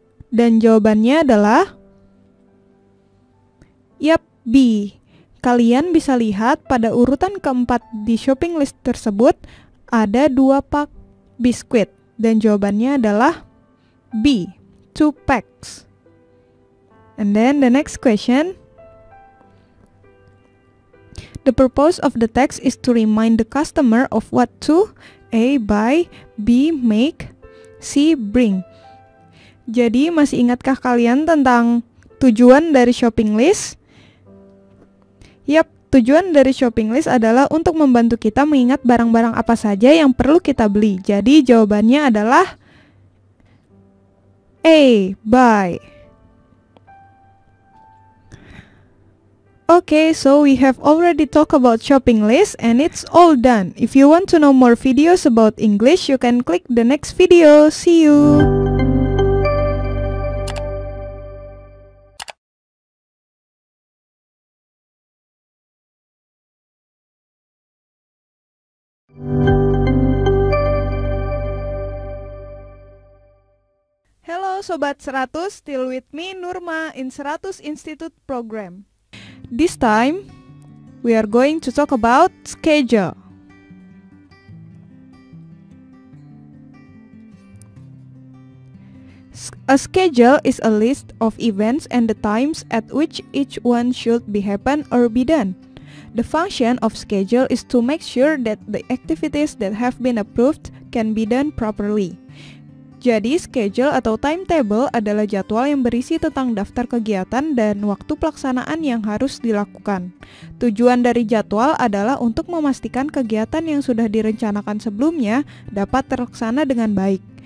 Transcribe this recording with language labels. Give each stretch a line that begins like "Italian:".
Indonesian: Dan jawabannya adalah, yep, B. Kalian bisa lihat pada urutan keempat di shopping list tersebut, ada 2 pak biskuit. Dan jawabannya adalah B, 2 packs.
English: And then the next question. The purpose of the text is to remind the customer of what to A, buy, B, make, C, bring.
Indonesian: Jadi, masih ingatkah kalian tentang tujuan dari shopping list? Yap, tujuan dari shopping list adalah untuk membantu kita mengingat barang-barang apa saja yang perlu kita beli. Jadi, jawabannya adalah A, buy.
English: Okay, so we have already talked about shopping list and it's all done. If you want to know more videos about English, you can click the next video. See you! Hello Sobat 100, still with me Nurma in 100 Institute Program. This time, we are going to talk about schedule. A schedule is a list of events and the times at which each one should be happened or be done. The function of schedule is to make sure that the activities that have been approved can be done properly.
Indonesian: Jadi, schedule atau timetable adalah jadwal yang berisi tentang daftar kegiatan dan waktu pelaksanaan yang harus dilakukan. Tujuan dari jadwal adalah untuk memastikan kegiatan yang sudah direncanakan sebelumnya dapat terlaksana dengan baik.